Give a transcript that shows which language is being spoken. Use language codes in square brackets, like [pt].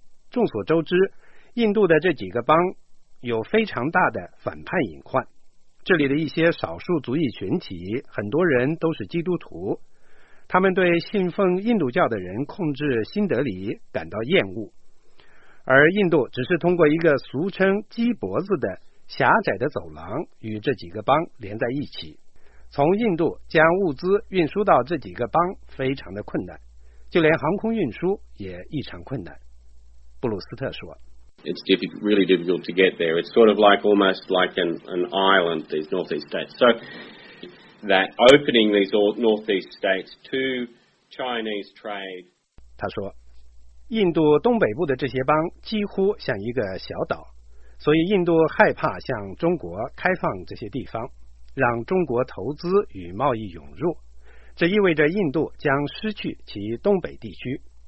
[zh] 众所周知，印度的这几个邦有非常大的反叛隐患，这里的一些少数族裔群体很多人都是基督徒，他们对信奉印度教的人控制新德里感到厌恶，而印度只是通过一个俗称鸡脖子的狭窄的走廊与这几个邦连在一起，从印度将物资运输到这几个邦非常的困难，就连航空运输也异常困难。布鲁斯特说， [en] It's really difficult to get there. It's sort of like almost like an island, these northeast states. So,That opening these northeast states to Chinese trade. [zh] 他说，印度东北部的这些邦几乎像一个小岛，所以印度害怕向中国开放这些地方，让中国投资与贸易涌入，这意味着印度将失去其东北地区。